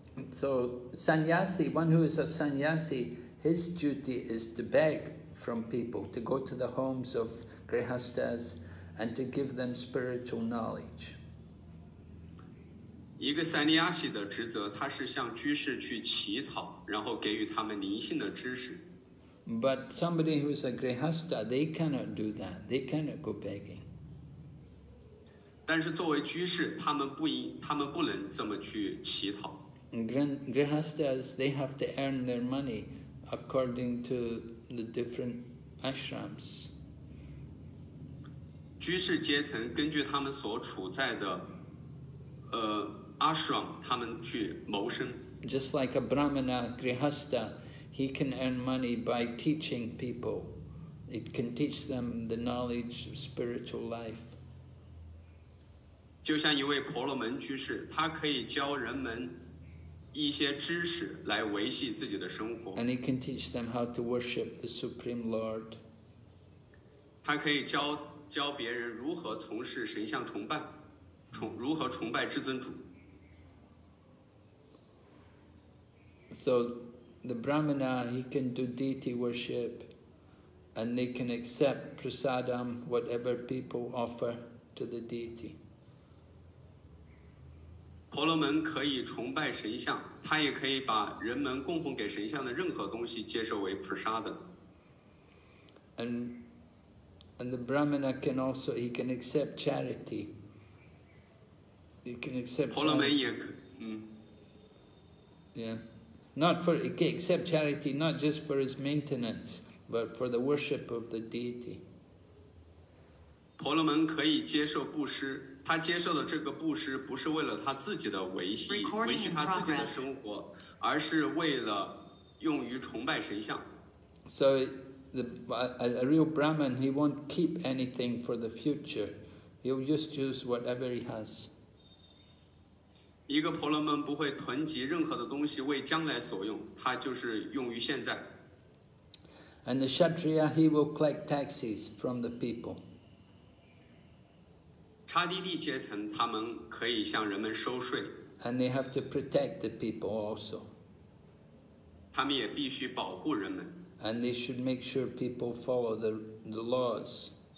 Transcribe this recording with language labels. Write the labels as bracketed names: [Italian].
[English] So sannyasi, one who is a sannyasi, his duty is to beg from people to go to the homes of grihasthas and to give them spiritual knowledge. [Chinese] 一个 sannyasi 的职责，他是向居士去乞讨，然后给予他们灵性的知识。 [English] But somebody who is a grihastha, they cannot do that. They cannot go begging. [Chinese] 但是作为居士，他们不能这么去乞讨。 [English] Grihasthas, they have to earn their money according to the different ashrams. [Chinese] 居士阶层根据他们所处在的ashram, 他们去谋生。 [English] Just like a brahmana grihastha,He can earn money by teaching people. It can teach them the knowledge of spiritual life. [Chinese] 就像一位婆罗门居士，他可以教人们一些知识来维系自己的生活。 [English] And he can teach them how to worship the Supreme Lord. [Chinese] 他可以教别人如何从事神像崇拜，如何崇拜至尊主。 [English] So, the brahmana, he can do deity worship, and they can accept prasadam, whatever people offer to the deity. [Chinese] 婆罗门可以崇拜神像，他也可以把人们供奉给神像的任何东西接受为 prasadam. [English] And the brahmana can also, he can accept charity. He can accept [Chinese] charity. 婆罗门也可 [English] Yeah. Not for, he can accept charity, not just for his maintenance, but for the worship of the deity. [Chinese] 婆罗门可以接受布施，他接受的这个布施不是为了他自己的维系他自己的生活，而是为了用于崇拜神像。 [English] So a real Brahman, he won't keep anything for the future. He'll just use whatever he has. [Chinese] 一个婆罗门不会囤积任何的东西为将来所用，他就是用于现在。 [English] And the Kshatriya, he will collect taxes from the people. [Chinese] Chadidi 阶层他们可以向人们收税。 [English] And they have to protect the people also. [Chinese] 他们也必须保护人们。 [English] And they should make sure people follow the laws.